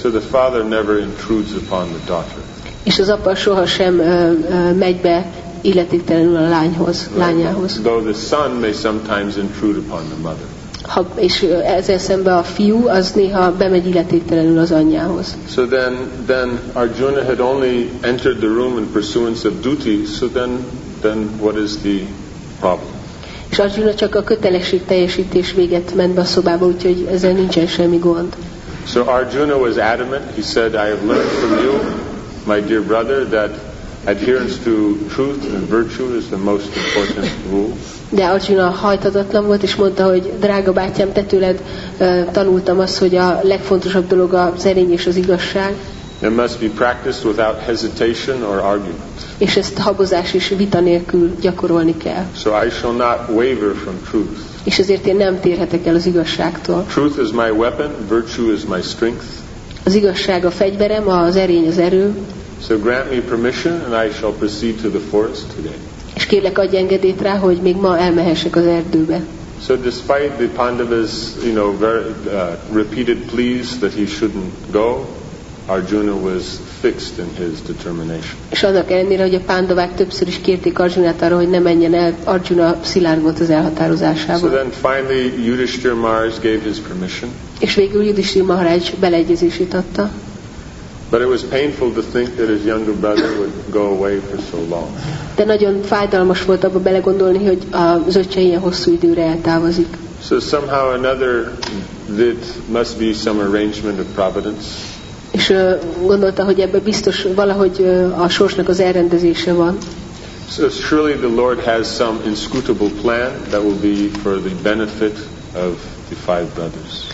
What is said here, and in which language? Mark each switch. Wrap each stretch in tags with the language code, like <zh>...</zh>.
<en>So the father never intrudes upon the daughter.</en> <hu>És az apa sohasem megy be illetéktelenül a lányhoz,</hu> <en>right?</en> <hu>Lányához.</hu> <en>Though the son may sometimes intrude upon the mother.</en> <hu>És ezzel szemben a fiú az néha bemegy illetéktelenül az anyjához.</hu> <en>So then Arjuna had only entered the room in pursuance of duty, so then what is the problem?</en> <hu>És Arjuna csak a kötelesség teljesítés véget ment be a szobába, úgyhogy ezzel nincsen semmi gond.</hu> <en>So Arjuna was adamant. He said, I have learned from you, my dear brother, that adherence to truth and virtue is the most important rule.</en> <hu>De Arjuna hajtatatlan volt, és mondta, hogy drága bátyám, te tőled tanultam azt, hogy a legfontosabb dolog az erény és az igazság.</hu> <en>It must be practiced without hesitation or argument.</en> <hu>És ezt habozás és vita nélkül gyakorolni kell.</hu> <en>So I shall not waver from truth.</en> <hu>És ezért én nem térhetek el az igazságtól.</hu> <en>Truth is my weapon, virtue is my strength.</en> <hu>Az igazság a fegyverem, az erény az erő.</hu> <en>So grant me permission and I shall proceed to the forest today.</en> <hu>És kérlek, adj engedélyt rá, hogy még ma elmehessek az erdőbe.</hu> <en>So despite the Pandavas, you know, very repeated pleas that he shouldn't go, Arjuna was fixed in his determination.</en> <hu>És annak ellenére, hogy a pándavák többször is kérték Arjunát arra, hogy ne menjen el, Arjuna szilárdult az elhatározásában.</hu> <en>So then finally Yudhishthira Maharaj gave his permission.</en> <hu>És végül Yudhishthira Maharaj beleegyezését adta.</hu> <en>But it was painful to think that his younger brother would go away for so long.</en> <hu>De nagyon fájdalmas volt abba belegondolni, hogy az öccse ilyen hosszú időre eltávozik.</hu> <en>So somehow or another, it must be some arrangement of providence.</en> <hu>És gondolta, hogy ebben biztos valahogy a sorsnak az elrendezése van.</hu> <en>So surely the Lord has some inscrutable plan that will be for the benefit of the five brothers.</en>